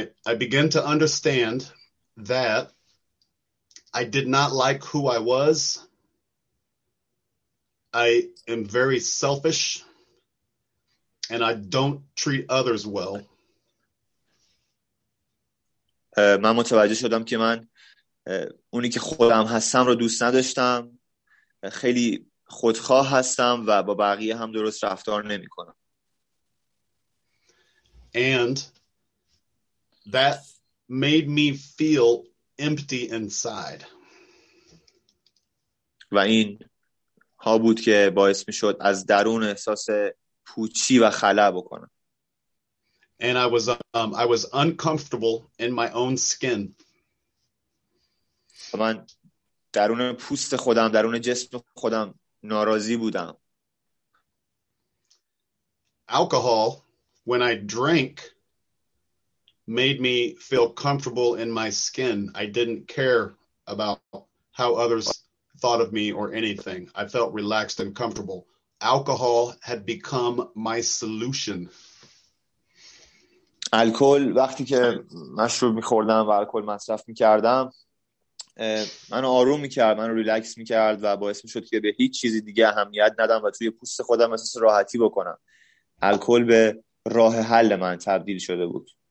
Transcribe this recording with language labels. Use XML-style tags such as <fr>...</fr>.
<en>I began to understand that I did not like who I was. I am very selfish and I don't treat others well.</en> <fa>من متوجه شدم که من اونی که خودم هستم رو دوست نداشتم. خیلی خودخواه هستم و با بقیه هم درست رفتار نمی کنم.</fa> <en>And that made me feel empty inside.</en> <fa>و این ها بود که باعث می شد از درون احساس پوچی و خلأ بکنم.</fa> <en>And I was uncomfortable in my own skin.</en> <fa>و من درون پوست خودم، درون جسم خودم ناراضی بودم.</fa> <en>Alcohol, when I drank, made me feel comfortable in my skin. I didn't care about how others thought of me or anything. I felt relaxed and comfortable. Alcohol had become my solution.</en> <fa>الکل وقتی که مشروب می‌خوردم و الکل مصرف می‌کردم منو آروم می‌کرد، منو ریلکس می‌کرد و باعث می‌شد که به هیچ چیزی دیگه اهمیت ندم و توی پوست خودم احساس راحتی بکنم. الکل به راه حل من تبدیل شده بود.</fa>